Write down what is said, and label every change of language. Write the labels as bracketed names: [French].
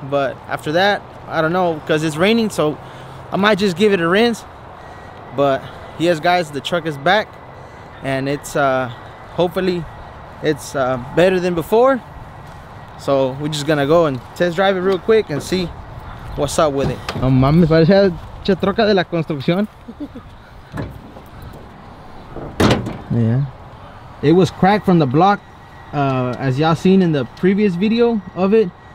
[English] But after that, I don't know, because it's raining, so I might just give it a rinse. But yes, guys, the truck is back and it's hopefully it's better than before. So we're just gonna go and test drive it real quick and see what's up with it. [Spanish] No mames, parece la troca de la construcción. [English] Yeah, it was cracked from the block, as y'all seen in the previous video of it.